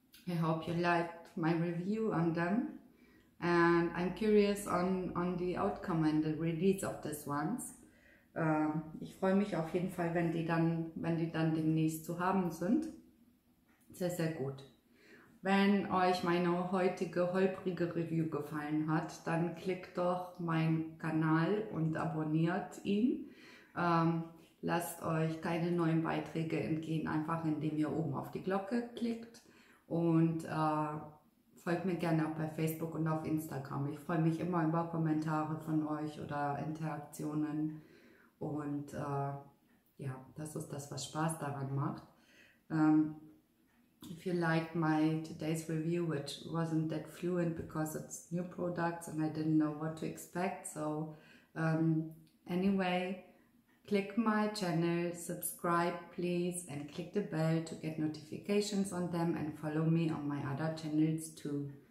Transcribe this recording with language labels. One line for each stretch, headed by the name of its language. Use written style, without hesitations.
English: I hope you liked my review on them and I'm curious on the outcome and the release of this ones.
German: Ich freue mich auf jeden Fall, wenn die dann demnächst zu haben sind. Sehr, sehr gut. Wenn euch meine heutige holprige Review gefallen hat, dann klickt doch meinen Kanal und abonniert ihn. Lasst euch keine neuen Beiträge entgehen, einfach indem ihr oben auf die Glocke klickt und folgt mir gerne auch bei Facebook und auf Instagram. Ich freue mich immer über Kommentare von euch oder Interaktionen. Und ja, das ist das, was Spaß daran macht.
English: If you liked my today's review, which wasn't that fluent because it's new products and I didn't know what to expect. So Anyway, click my channel, subscribe please and click the bell to get notifications on them and follow me on my other channels too.